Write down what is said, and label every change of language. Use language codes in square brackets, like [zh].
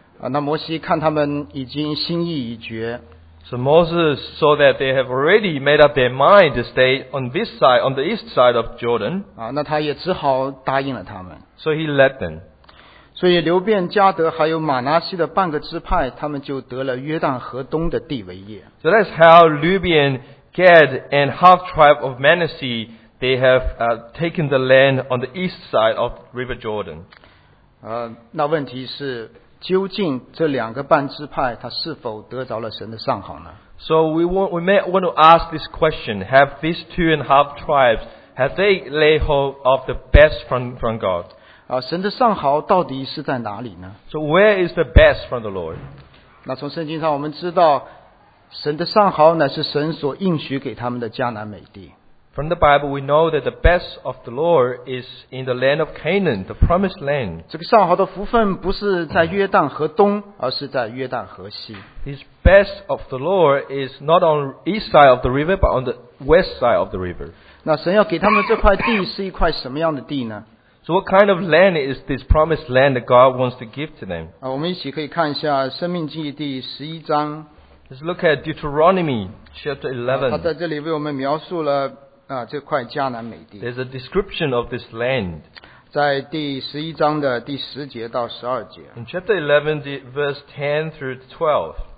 [zh] 那摩西看他们已经心意已决。 [en] So Moses saw that they have already made up their mind to stay on this side, on the east side of Jordan. [zh] 那他也只好答应了他们。 [en] So he let them. [zh] 所以流便加德还有马拿西的半个支派他们就得了约旦河东的地为业。 [en] So that's how Reuben, Gad and half tribe of Manasseh, they have taken the land on the east side of River Jordan. [zh] 那问题是究竟这两个半支派他是否得着了神的上好呢？ [en] So we may want to ask this question, have these two and a half tribes, have they laid hold of the best from God? [zh] 啊，神的上好到底是在哪里呢？ [en] So where is the best from the Lord? [zh] 那从圣经上我们知道神的上好乃是神所应许给他们的迦南美地。 [en] From the Bible, we know that the best of the Lord is in the land of Canaan, the promised land. [zh] 这个上好的福分不是在约旦河东，而是在约旦河西。 [en] His best of the Lord is not on east side of the river, but on the west side of the river. [zh] 那神要给他们这块地是一块什么样的地呢？ [en] So what kind of land is this promised land that God wants to give to them? [zh] 我们一起可以看一下《生命记》第十一章。 [en] Let's look at Deuteronomy chapter 11. [zh] 他在这里为我们描述了。这块迦南美地。 [en] There's a description of this land. [zh] 在第十一章的第十节到十二节。 [en] In chapter 11, verse 10 through 12.